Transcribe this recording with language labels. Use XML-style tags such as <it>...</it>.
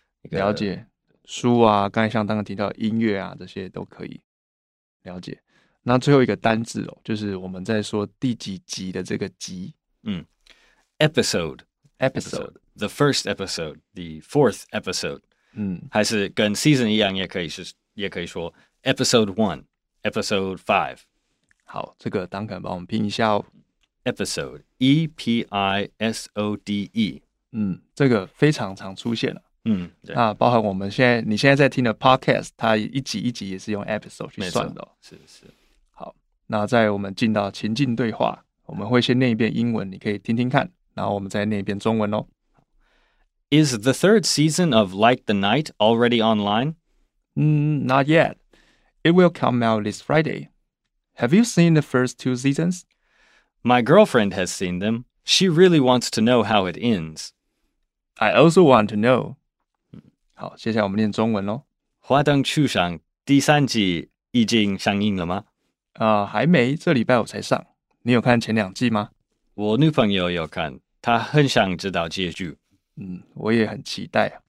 <zh>了解书啊，刚才像刚刚提到音乐啊这些都可以了解。那最后一个单字哦，就是我们在说第几集的这个集，</zh> <en>episode, the first episode, the fourth episode,</en> <zh>还是跟 season 一样，也可以说</zh> <en>episode one, episode five。</en> <zh>好，这个Duncan帮我们拼一下哦</zh> <en>，episode, E P I S O D E，</en> <zh>这个非常常出现了、对，那包含你现在在听的 podcast， 它一集一集也是用 episode 去算的、是是。那在我们进到情境对话，我们会先念一遍英文，你可以听听看，然后我们再念一遍中文哦。</zh> <en>Is the third season of Light the Night already online? Not yet. It will come out this Friday. Have you seen the first two seasons? My girlfriend has seen them. She really wants to know how it ends. I also want to know.</en> <zh>好，接下来我们念中文哦。花灯初上第三季已经上映了吗？还没，这礼拜我才上。你有看前两季吗？我女朋友有看，她很想知道结局。我也很期待。</zh>